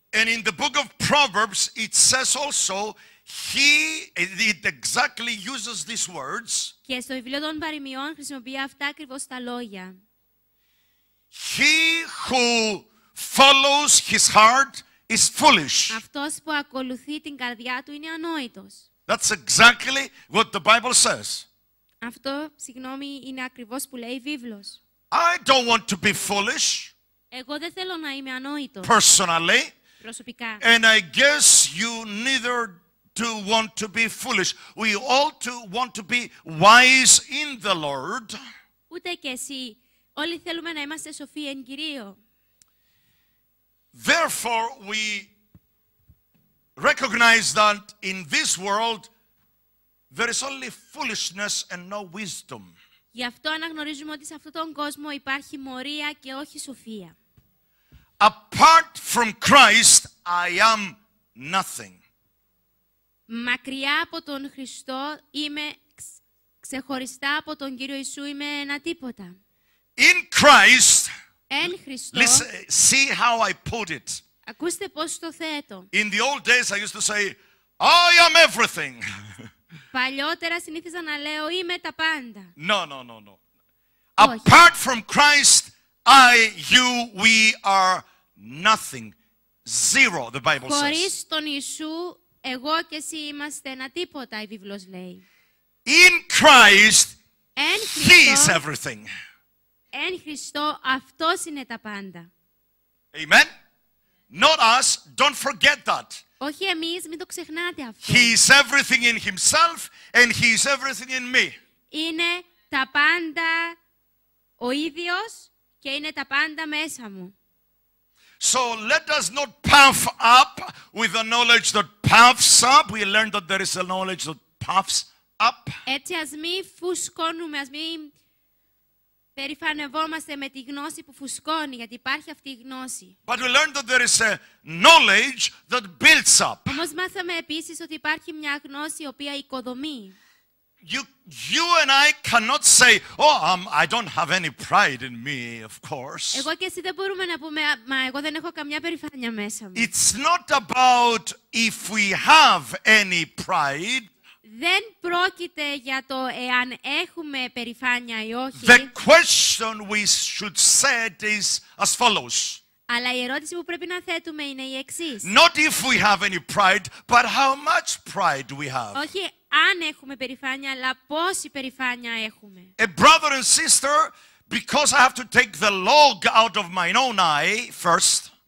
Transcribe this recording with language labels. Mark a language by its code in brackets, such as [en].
[en] And in the book of Proverbs it says also he it exactly uses these words. [el] Και στο βιβλίο των Παροιμιών χρησιμοποιεί αυτά ακριβώς τα λόγια. [en] He who follows his heart is foolish. [el] Αυτός που ακολουθεί την καρδιά του είναι ανόητος. [en] That's exactly what the Bible says. [el] Αυτό, συγγνώμη, είναι ακριβώς που λέει η Βίβλος. [en] I don't want to be foolish. [el] Εγώ δεν θέλω να είμαι ανόητος. [en] Personally. [el] Προσωπικά. [en] And I guess you neither do want to be foolish. We all do want to be wise in the Lord. [el] Ούτε και εσύ. Όλοι θέλουμε να είμαστε σοφοί εν Κυρίω. [en] Therefore, we recognize that in this world there is only foolishness and no wisdom. [el] Γι' αυτό αναγνωρίζουμε ότι σε αυτόν τον κόσμο υπάρχει μωρία και όχι σοφία. [en] Apart from Christ, I am nothing. [el] Μακριά από τον Χριστό είμαι ξεχωριστά από τον Κύριο Ιησού είμαι ένα τίποτα. [en] In Christ, [el] εν Χριστώ, [en] listen, see how I put it. [el] Ακούστε πώς το θέτω. [en] In the old days I used to say, I am everything. [el] Παλιότερα συνήθιζα να λέω είμαι τα πάντα. [en] No. Apart from Christ, I, you, we are nothing. Zero, the Bible says. [el] Χωρίς τον Ιησού, εγώ και εσύ είμαστε ένα τίποτα, η Βίβλος λέει. [en] In Christ, [el] εν Χριστώ, [en] He is everything. [el] Εν Χριστώ, αυτός είναι τα πάντα. [en] Amen. Not us, don't forget that. [el] Όχι εμείς, μην το ξεχνάτε αυτό. [en] He is everything in himself and he is everything in me. [el] Είναι τα πάντα ο ίδιος και είναι τα πάντα μέσα μου. [en] So let us not puff up with the knowledge that puffs up. We learned that there is a knowledge that puffs up. [el] Έτσι ας μη φουσκώνουμε, ας μη περηφανευόμαστε με τη γνώση που φουσκώνει, γιατί υπάρχει αυτή η γνώση. [en] But we learned that there is a knowledge that builds up. [el] Όμως μάθαμε επίσης ότι υπάρχει μια γνώση η οποία οικοδομεί. [en] You and I cannot say, oh, I don't have any pride in me, of course. [el] Εγώ και εσύ δεν μπορούμε να πούμε, μα εγώ δεν έχω καμιά περηφάνεια μέσα μου. [en] It's not about if we have any pride. [el] Δεν πρόκειται για το εάν έχουμε περηφάνεια ή όχι. [en] The question we should set is as follows. [el] Αλλά η ερώτηση που πρέπει να θέτουμε είναι η εξής. [en] Not if we have any pride, but how much pride we have. [el] Όχι αν έχουμε περηφάνεια, αλλά πόση περηφάνεια έχουμε. [en] A brother and sister, because I have to take the log out of my own eye first.